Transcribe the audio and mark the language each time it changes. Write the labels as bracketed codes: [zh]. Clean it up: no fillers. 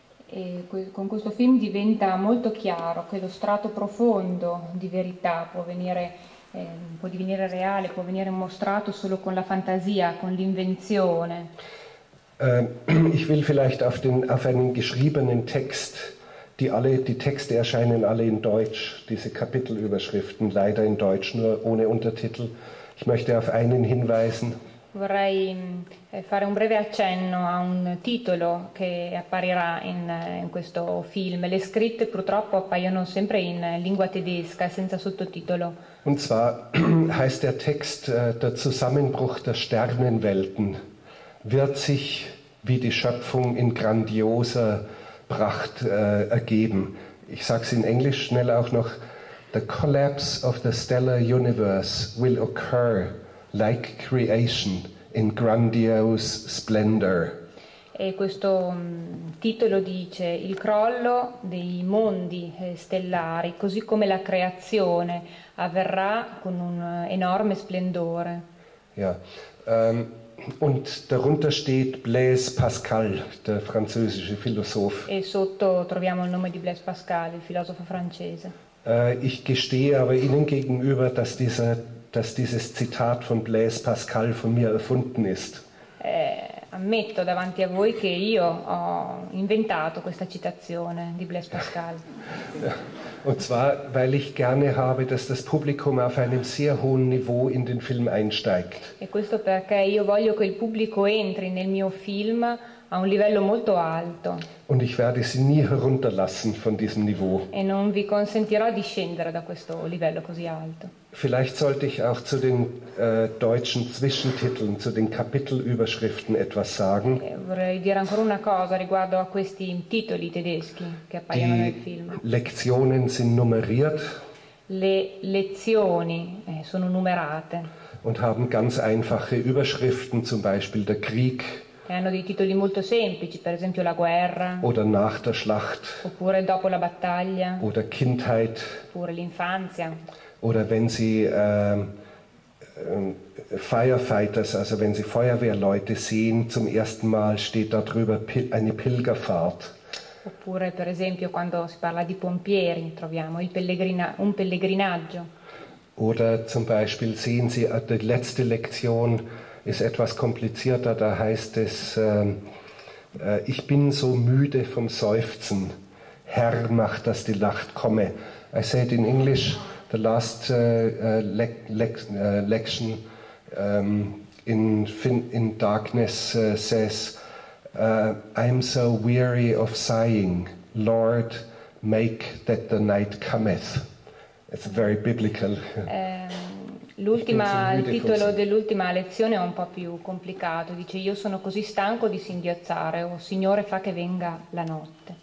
[it] E con questo film diventa molto chiaro che lo strato profondo di verità può divenire reale, può venire mostrato solo con la fantasia, con l'invenzione. [de] Ich will vielleicht auf einen geschriebenen Text, die Texte erscheinen alle in Deutsch, diese Kapitelüberschriften, leider in Deutsch, nur ohne Untertitel. Ich möchte auf einen hinweisen. [it] Vorrei fare un breve accenno a un titolo che apparirà in questo film. Le scritte purtroppo appaiono sempre in lingua tedesca, senza sottotitolo. [de] Und zwar heißt der Text der Zusammenbruch der Sternenwelten wird sich wie die Schöpfung in grandioser Pracht ergeben. Ich sage es in Englisch schnell auch noch. [en] The collapse of the stellar universe will occur like creation in grandiose splendor. [it] E questo titolo dice il crollo dei mondi stellari, così come la creazione avverrà con un enorme splendore. [de] Ja, Und darunter steht Blaise Pascal, der französische Philosoph. [it] E sotto troviamo il nome di Blaise Pascal, il filosofo francese. [de] Ich gestehe aber Ihnen gegenüber, dass dieses Zitat von Blaise Pascal von mir erfunden ist. [it] Ammetto davanti a voi che io ho inventato questa citazione di Blaise Pascal. [de] Und zwar, weil ich gerne habe, dass das Publikum auf einem sehr hohen Niveau in den Film einsteigt. [it] E questo perché io voglio che il pubblico entri nel mio film a un livello molto alto. [de] Und ich werde sie nie herunterlassen von diesem Niveau. [it] E non vi consentirò di scendere da questo livello così alto. [de] Vielleicht sollte ich auch zu den deutschen Zwischentiteln, zu den Kapitelüberschriften etwas sagen. [it] Vorrei dire ancora una cosa riguardo a questi titoli tedeschi che appaiono nel [de] film. Die Lektionen sind nummeriert. [it] Le lezioni sono numerate. [de] Und haben ganz einfache Überschriften, zum Beispiel der Krieg. [it] E hanno dei titoli molto semplici, per esempio la guerra. [de] Oder nach der Schlacht. [it] Oppure dopo la battaglia. [de] Oder Kindheit. [it] Oppure l'infanzia. [de] Oder wenn sie Firefighters, also wenn sie Feuerwehrleute sehen, zum ersten Mal steht da drüber eine Pilgerfahrt. [it] Oppure per esempio quando si parla di pompieri troviamo un pellegrinaggio. [de] Oder zum Beispiel sehen sie die letzte Lektion ist etwas komplizierter, da heißt es ich bin so müde vom Seufzen, Herr, mach, dass die Nacht komme. [en] I said in English the last lection in darkness says I'm so weary of sighing, Lord, make that the night cometh. It's very biblical. [it] L'ultima, il titolo così dell'ultima lezione è un po' più complicato, dice io sono così stanco di singhiozzare, o Signore fa che venga la notte.